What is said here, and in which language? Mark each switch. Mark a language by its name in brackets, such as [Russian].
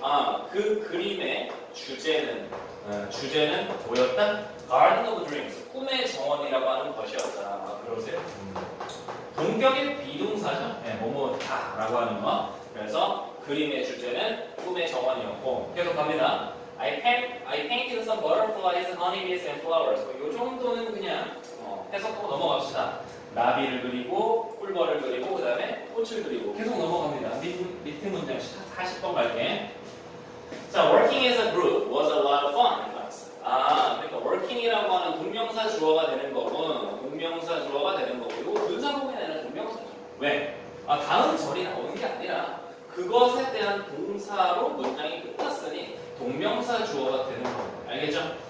[Korean] 아, 그 그림의 주제는 뭐였다? [English] Garden of Dreams. [Korean] 꿈의 정원이라고 하는 것이었다. 아, 그러세요? 본격의 비동사죠. 네, 뭐뭐다 라고 하는 거. 그래서 그림의 주제는 꿈의 정원이었고 계속 갑니다. [English] I painted some butterflies, honeybees, and flowers. [Korean] 이 정도는 그냥 해석하고 넘어갑시다. 나비를 그리고 꿀벌을 그리고 그 다음에 꽃을 그리고 계속 넘어갑니다. 밑에 문장 40번 갈게. [English] 자, working as a group was a lot of fun. [Korean] 아, 그러니까 working이라고 하는 동명사 주어가 되는 거군. 동명사 주어가 되는 거고 이거 분사 구문에는 동명사죠. 왜? 아, 다음 절이 나오는 게 아니라 그것에 대한 동사로 문장이 끝났으니 동명사 주어가 되는 거. 알겠죠?